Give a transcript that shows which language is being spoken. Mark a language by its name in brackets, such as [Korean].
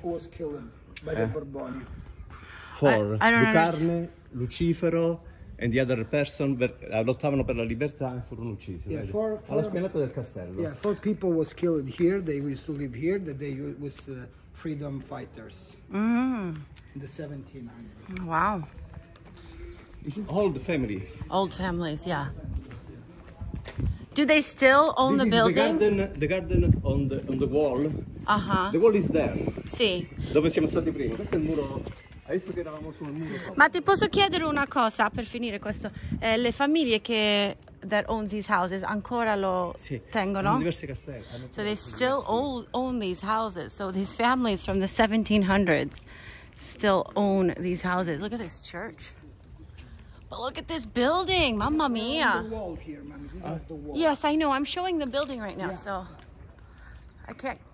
[English] Who was killed by the Borboni? For Lucarne, Lucifero and the other person [Italian] lottavano per la libertà e furono uccisi. [English] Yeah, for [Italian] alla spianata del castello. [English] Yeah, four people was killed here. They used to live here. That they was freedom fighters. In the 1700s. Wow. Is it old family? Old families, yeah. Do they still own this the building? The garden on the wall. The wall is there. [Italian] Sì. Dove siamo stati prima? Questo è il muro. Hai visto che eravamo sul muro? Ma ti posso chiedere una cosa per finire questo? Le famiglie che [English] that own these houses [Italian] ancora lo sì. tengono? Hanno diversi castelli. [English] So they still own these houses. So these families from the 1700s still own these houses. Look at this church. But look at this building, [Italian] mamma mia. [English] The wall here, mommy. This is not the wall. Yes, I know. I'm showing the building right now, so I can't.